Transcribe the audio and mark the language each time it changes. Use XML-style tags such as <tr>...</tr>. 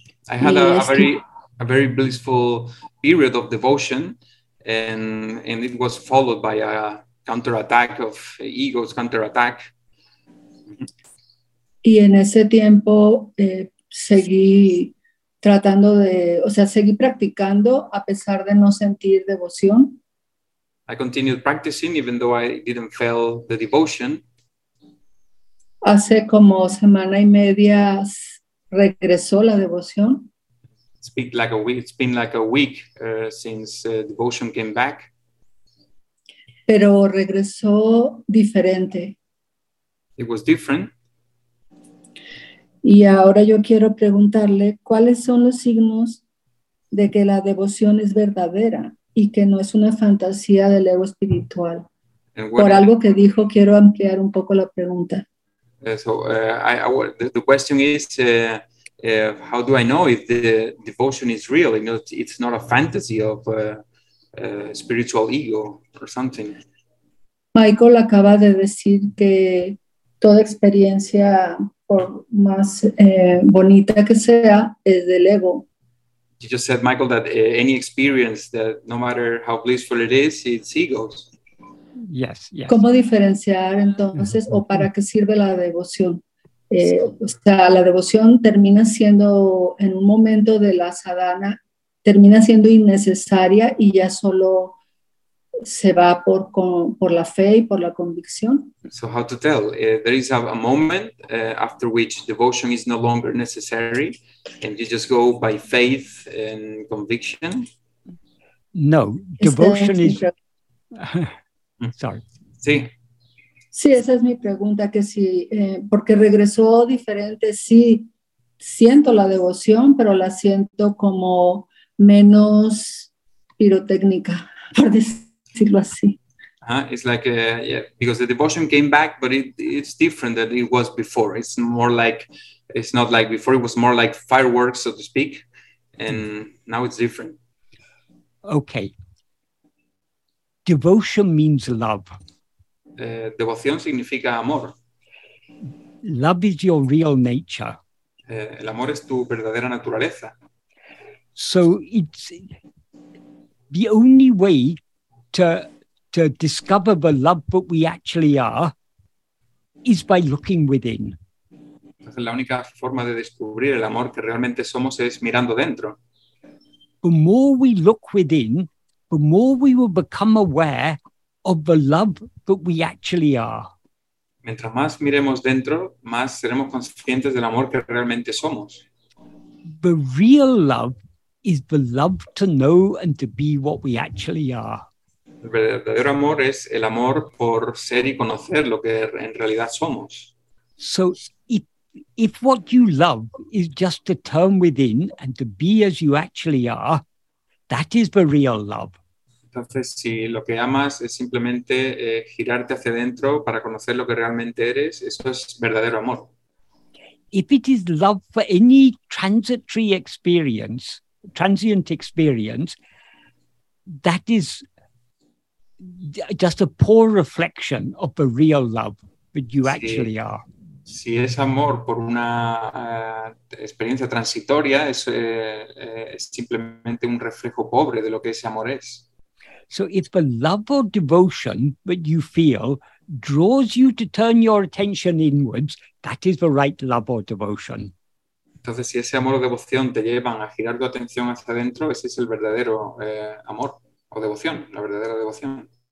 <en>I had a very blissful period of devotion, and it was followed by a counterattack of ego's counterattack.</en> <es>Y en ese tiempo seguí tratando de, o sea, seguí practicando a pesar de no sentir devoción.</es> <en>I continued practicing even though I didn't feel the devotion.</en> <es>Hace como semana y media regresó la devoción.</es> <en>It's been like a week since devotion came back.</en> <es>Pero regresó diferente.</es> <en>It was different.</en> <es>Y ahora yo quiero preguntarle, ¿cuáles son los signos de que la devoción es verdadera y que no es una fantasía del ego espiritual? Por algo que dijo, quiero ampliar un poco la pregunta.</es> <en>The question is, how do I know if the devotion is real? You know, it's not a fantasy of spiritual ego or something.</en> <es>Michael acaba de decir que toda experiencia, por más bonita que sea, es del ego.</es> <en>You just said, Michael, that any experience, that no matter how blissful it is, it's ego. Yes, yes.</en> <es>¿Cómo diferenciar entonces, o para qué sirve la devoción? Sí. O sea, la devoción termina siendo, en un momento de la sadhana, termina siendo innecesaria y ya solo se va por la fe y por la convicción.</es> <en>So how to tell? There is a moment after which devotion is no longer necessary, and you just go by faith and conviction. No, devotion is. Sorry.</en> <es>Sí. Sí, esa es mi pregunta. Que si porque regresó diferente. Sí, siento la devoción, pero la siento como menos pirotécnica.</es> <en>It's like because the devotion came back, but it's different than it was before. It's more like, it's not like before, it was more like fireworks, so to speak, and now it's different. Okay. Devotion means love.</en> <es>Devoción significa amor.</es> <en>Love is your real nature.</en> <es>El amor es tu verdadera naturaleza.</es> <en>So it's the only way to discover the love that we actually are is by looking within.</en> <es>Entonces, la única forma de descubrir el amor que realmente somos es mirando dentro.</es> <en>The more we look within, the more we will become aware of the love that we actually are.</en> <es>Mientras más miremos dentro, más seremos conscientes del amor que realmente somos.</es> <en>The real love is the love to know and to be what we actually are.</en> <es>El verdadero amor es el amor por ser y conocer lo que en realidad somos.</es> <en>So if what you love is just to turn within and to be as you actually are, that is the real love.</en> <es>Entonces, si lo que amas es simplemente girarte hacia adentro para conocer lo que realmente eres, eso es verdadero amor.</es> <en>If it is love for any transitory experience, transient experience, that is just a poor reflection of the real love that you actually are.</en> <es>Si es amor por una experiencia transitoria, es simplemente un reflejo pobre de lo que ese amor es.</es> <en>So if the love or devotion that you feel draws you to turn your attention inwards, that is the right love or devotion.</en> <es>Entonces, si ese amor o devoción te llevan a girar tu atención hacia adentro, ese es el verdadero amor o devoción, la verdadera devoción.</es>